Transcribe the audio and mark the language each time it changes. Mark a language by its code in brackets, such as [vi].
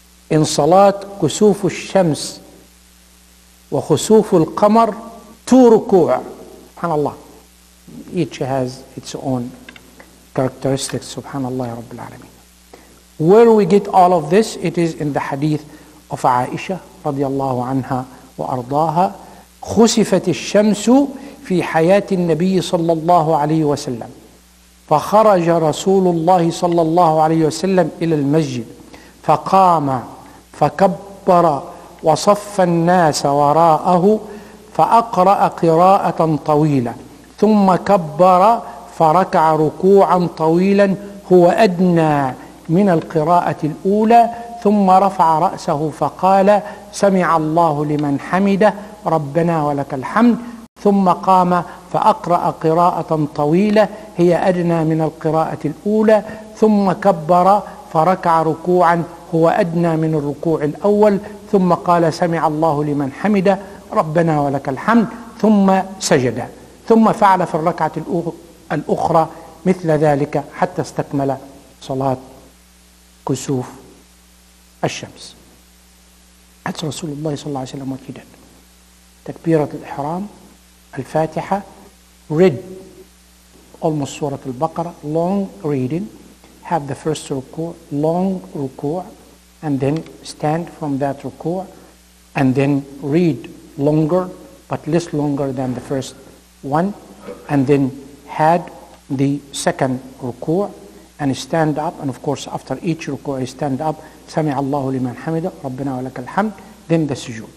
[en] In Salat Kusuf al-Shams wa Kusuf al-Qamar, two ruku' subhanAllah. Each has its own characteristics, subhanAllah ya Rabbil Alameen. Where we get all of this, it is in the hadith of Aisha radiallahu anha wa ardaha. [ar] خسفت الشمس في حياة النبي صلى الله عليه وسلم فخرج رسول الله صلى الله عليه وسلم إلى المسجد فقام فكبر وصف الناس وراءه فأقرأ قراءة طويلة ثم كبر فركع ركوعا طويلا هو أدنى من القراءة الأولى ثم رفع رأسه فقال سمع الله لمن حمده ربنا ولك الحمد ثم قام فأقرأ قراءة طويلة هي أدنى من القراءة الأولى ثم كبر فركع ركوعا هو أدنى من الركوع الأول ثم قال سمع الله لمن حمده ربنا ولك الحمد ثم سجد ثم فعل في الركعة الأخرى مثل ذلك حتى استكمل صلاة كسوف الشمس. [en] That's Rasulullah صلى الله عليه وسلم what he did. تكبيرة الإحرام الفاتحة read almost سورة البقرة long reading have the first ركوع long ركوع and then stand from that ركوع and then read longer but less longer than the first one and then had the second ركوع and stand up and of course after each ركوع stand up سمع الله لمن حمده ربنا ولك الحمد then the sujood.